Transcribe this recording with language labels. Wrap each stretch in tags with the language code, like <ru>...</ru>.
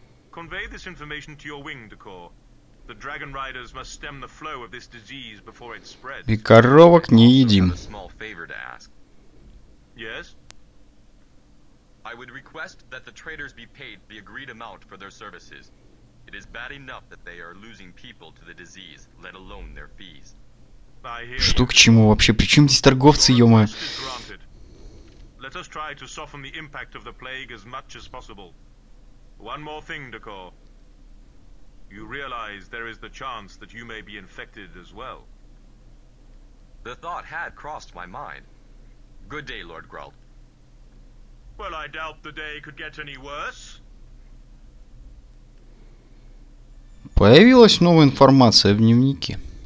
<en>Convey this information to your wing, Decor. The Dragon Riders must stem the flow of this disease before it spreads.</en> <ru>И коровок не едим.</ru> <en>Small favor to ask. Yes? I would request that the traders be paid the agreed amount for their services. It is bad enough that they are losing people to the disease, let alone their fees.</en> <ru>Что к чему вообще? Причем здесь торговцы, ё-моё?</ru> <en>Let us try to soften the impact of the plague as much as possible. One more thing, Dakor. You realize there is the chance that you may be infected as well. The thought had crossed my mind. Good day, Lord Grault. Well, I doubt the day could get any worse.</en> <ru>Появилась новая информация в дневнике.</ru>